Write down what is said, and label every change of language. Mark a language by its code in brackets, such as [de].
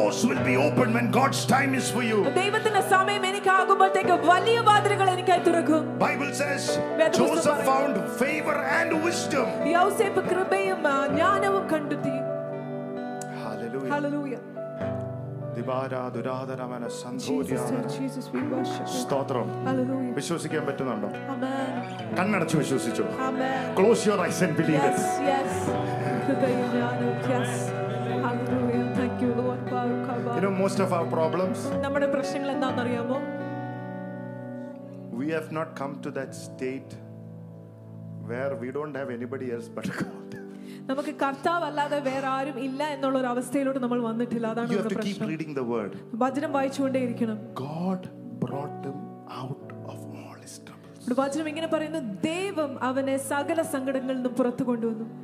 [en] Will be opened when God's time is for you. [ml] ദൈവത്തിന്റെ സമയം എനിക്കാകുമ്പോഴേക്ക് വലിയ വാതിലുകൾ എനിക്കായി തുറക്കും. [en] Bible says Joseph found favor and wisdom. [ml] യോസേഫ് കൃപയും ജ്ഞാനവും കണ്ടെത്തി. Hallelujah hallelujah ദിവാരാധുരാധനമന സന്തോഷിയ [en] Jesus we worship [ml] സ്തോത്രം ഹല്ലേലൂയ വിശ്വസിക്കാൻ പറ്റുന്നുണ്ടോ? ആമേൻ. കണ്ണടച്ച് വിശ്വസിച്ചോ? ആമേൻ. [en] Close your eyes and believe it. Yes yes [ml] കൃപയും ജ്ഞാനവും [en] Yes ഹല്ലേലൂയ thank you lord. You know, most of our problems, [ml] നമ്മുടെ പ്രശ്നങ്ങൾ എന്താണെന്ന് അറിയാമോ? [en] We have not come to that state where we don't have anybody else but God. [ml] നമുക്ക് കർത്താവ് അല്ലാതെ വേറെ ആരും ഇല്ല എന്നുള്ള ഒരു അവസ്ഥയിലോട്ട് നമ്മൾ വന്നിട്ടില്ല. അതാണ് പ്രശ്നം. [en] You have to keep reading the word. [ml] വചനം വായിച്ചുകൊണ്ടേ ഇരിക്കണം. [en] God brought them out of all his troubles. [ml] വചനം ഇങ്ങനെ പറയുന്നു, ദൈവം അവനെ സകല സങ്കടങ്ങളിൽ നിന്നും പുറത്തു കൊണ്ടുവന്നു.